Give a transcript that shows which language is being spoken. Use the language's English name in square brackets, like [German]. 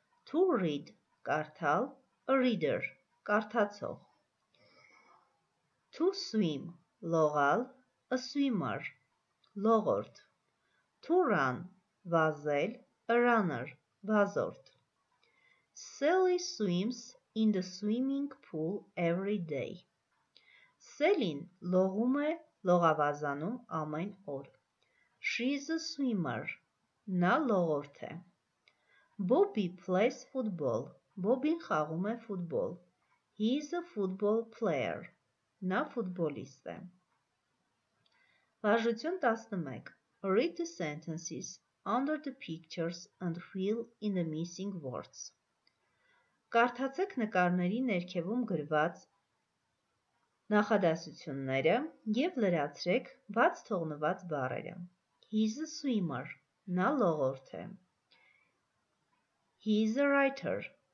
[English] To read, [Armenian] կարդալ, [English] a reader, [Armenian] կարդացող. [English] To swim, [Armenian] լողալ, [English] a swimmer, [Armenian] լողորդ. [English] To run, [Armenian] վազել, [English] a runner, [Armenian] վազորդ. [English] Sally swims in the swimming pool every day. [Armenian] Սելին լողում է լողավազանում ամեն օր։ [English] She is a swimmer. [Armenian] Նա լողորդ է։ [English] Bobby plays football. [Armenian] Բոբին խաղում է ֆուտբոլ։ [English] He is a football player. [Armenian] Նա ֆուտբոլիստ է։ Վարժություն 11. [English] Read the sentences under the pictures and fill in the missing words. [Armenian] Կարդացեք նկարների ներքևում գրված նախադասությունները եւ լրացրեք բաց թողնված բառերը։ [English] He is a swimmer. [Armenian] Նա լողորդ է։ [English] He is a writer.